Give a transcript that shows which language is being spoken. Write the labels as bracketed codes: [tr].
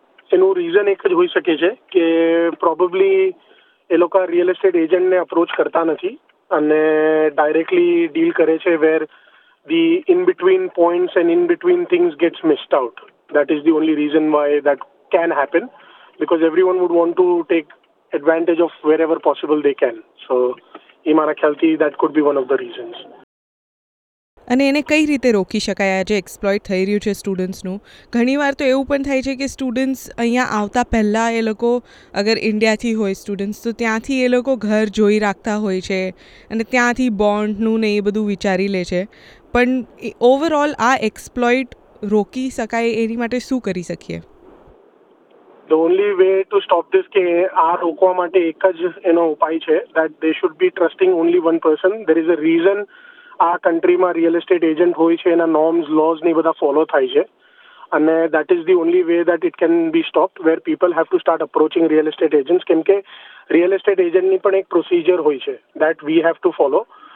[gu] એનું રીઝન એક જ હોઈ શકે છે કે પ્રોબેબલી એ લોકો રિયલ એસ્ટેટ એજન્ટને અપ્રોચ કરતા નથી અને ડાયરેક્ટલી ડીલ કરે છે [en] Where the in between points and in between things gets missed out. That is the only reason why that can happen, because everyone would want to take advantage of wherever possible they can. So imara khalti, that could be one of the reasons. [gu] અને એને કઈ રીતે રોકી શકાય આ જે exploit થઈ રહ્યું છે સ્ટુડન્ટ્સનું? ઘણીવાર તો એવું પણ થાય છે કે સ્ટુડન્ટ્સ અહીંયા આવતા પહેલાં, એ લોકો અગર ઇન્ડિયાથી હોય સ્ટુડન્ટ્સ, તો ત્યાંથી એ લોકો ઘર જોઈ રાખતા હોય છે અને ત્યાંથી બોન્ડનું ને એ બધું વિચારી લે છે. પણ ઓવરઓલ આ એક્સપ્લોઇટ રોકી શકાય એની માટે શું કરી શકીએ? [en] The only way to stop this [gu] કે આ રોકવા માટે એક જ એનો ઉપાય છે, [en] that they should be trusting only one person. There is a reason [gu] આ કન્ટ્રીમાં રિયલ એસ્ટેટ એજન્ટ હોય છે, એના નોર્મ્સ લોઝ ને બધા ફોલો થાય છે, અને [en] That is the only way that it can be stop, where people have to start approaching real estate agent. [gu] કેમ કે રિયલ એસ્ટેટ એજન્ટની પણ એક પ્રોસિજર હોય છે [en] That we have to follow.